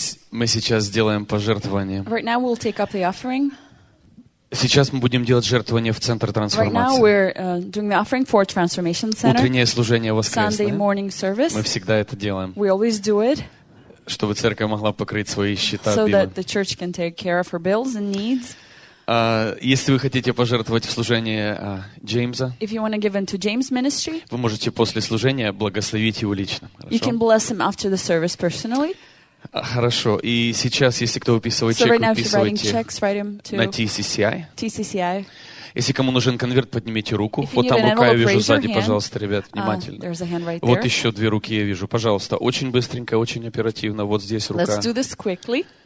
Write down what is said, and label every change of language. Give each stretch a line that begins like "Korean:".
Russian: Мы сейчас сделаем пожертвование.
English: Right now we'll take up the offering.
Russian: Сейчас мы будем делать жертвование в центр трансформации.
English: Right now we're doing the offering for Transformation Center.
Russian: Утреннее служение воскресное.
English: Sunday morning service.
Russian: Мы всегда это делаем.
English: We always do it.
Russian: Чтобы церковь могла покрыть свои счета.
English: So that the church can take care of her bills and needs.
Russian: Если вы хотите пожертвовать в служение Джеймса,
English: if you want to give into James ministry,
Russian: вы можете после служения благословить его лично.
English: You can bless him after the service personally.
Russian: Хорошо. И сейчас, если кто выписывает чек, выписывайте
English: checks,
Russian: на TCCI.
English: TCCI.
Russian: Если кому нужен конверт, поднимите руку. Вот там рука, я вижу сзади, пожалуйста, ребят, внимательно.
English: Right,
Russian: вот еще две руки я вижу. Пожалуйста, очень быстренько, очень оперативно. Вот здесь рука.
English: Let's do this quickly.